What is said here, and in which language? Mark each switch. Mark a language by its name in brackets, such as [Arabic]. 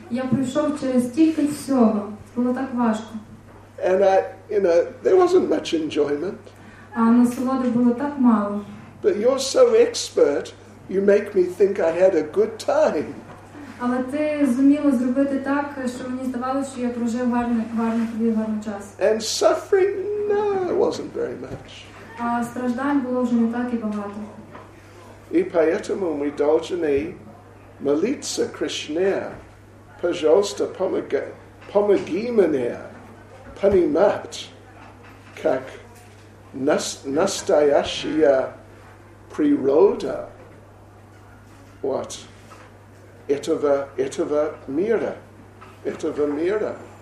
[Ukrainian] Я пройшов через стільки всього. Було так важко. [English] And I, you know, there wasn't much enjoyment. [Ukrainian] А насолоди було так мало. [English] But you're so expert, you make me think I had a good time. [Ukrainian] Але ти зуміла зробити так, що мені здавалося, що я прожив гарний час. [English] And suffering, no, it wasn't very much. [Ukrainian] А страждань було вже не так і багато. [Russian] І поэтому ми должны молиться Кришне. Пожалуйста, помоги мне понимать, как настоящая природа этого мира.